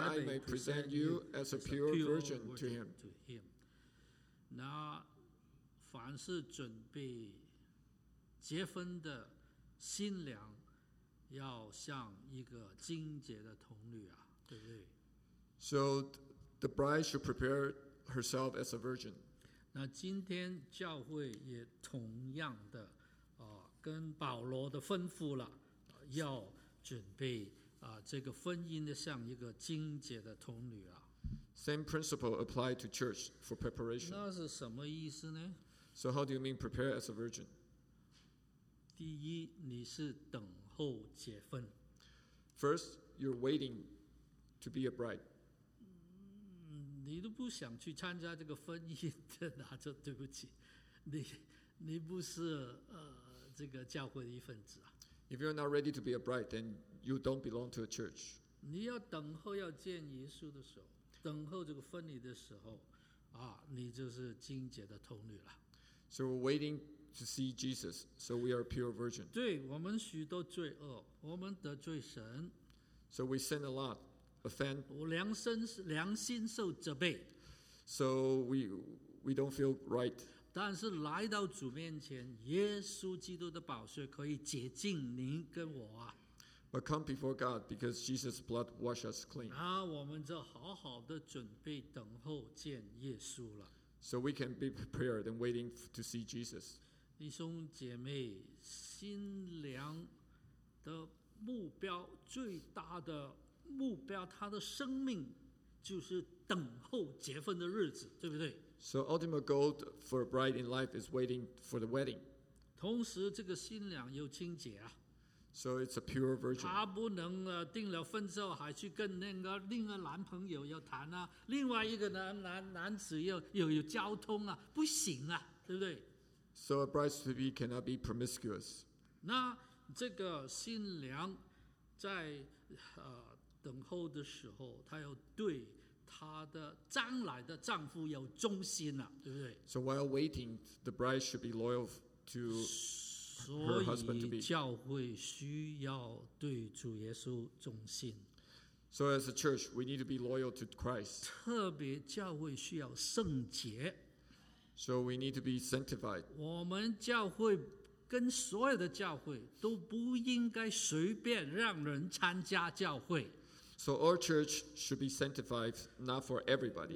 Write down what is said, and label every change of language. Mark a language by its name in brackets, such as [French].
[English] I may present you as a pure virgin to him. [Chinese] 那凡是准备结婚的新娘要像一个贞洁的童女啊，对不对？ [English] So the bride should prepare herself as a virgin. [Chinese] 那今天教会也同样的跟保罗的吩咐了，要准备这个婚姻的像一个贞洁的童女啊。 [English] Same principle apply to church for preparation. [Chinese] 那是什么意思呢？ [English] So how do you mean prepare as a virgin? [Chinese] 第一，你是等后结婚。 [English] First, you're waiting to be a bride. [Chinese] 你都不想去参加这个婚姻的，那就对不起，你不是这个教会的一份子啊。 [English] If you're not ready to be a bride, then you don't belong to a church. [Chinese] 你要等候要见耶稣的时候，等候这个婚礼的时候，你就是贞洁的童女了。 [English] So we're waiting. To see Jesus, so we are pure virgin. [Chinese] 对，我们许多罪恶，我们得罪神。 [English] So we sin a lot, offend. [Chinese] 良心受责备。 [English] So we don't feel right. [Chinese] 但是来到主面前，耶稣基督的宝血可以洁净您跟我啊。 [English] But come before God, because Jesus' blood washes us clean. [Chinese] 那我们就好好的准备等候见耶稣了。 [English] So we can be prepared and waiting to see Jesus. [Chinese] 弟兄姐妹，新娘的目标，最大的目标，她的生命就是等候结婚的日子，对不对？ [English] So ultimate goal for a bride in life is waiting for the wedding. [Chinese] 同时这个新娘又清洁啊。 [English] So it's a pure virgin. [Chinese] 她不能订了婚之后还去跟那个另外男朋友要谈啊，另外一个 男子有交通啊，不行啊，对不对？ [English] So a bride-to-be cannot be promiscuous. [Chinese] 那这个新娘在等候的时候，她要对她的将来的丈夫有忠心啊，对不对？ [English] So while waiting, the bride should be loyal to her husband to be. [Chinese] 所以教会需要对主耶稣忠心。 [English] So as a church, we need to be loyal to Christ. [Chinese] 特别教会需要圣洁。 [English] So we need to be sanctified. [Chinese] 我们教会跟所有的教会都不应该随便让人参加教会。 [English] So our church should be sanctified, not for everybody.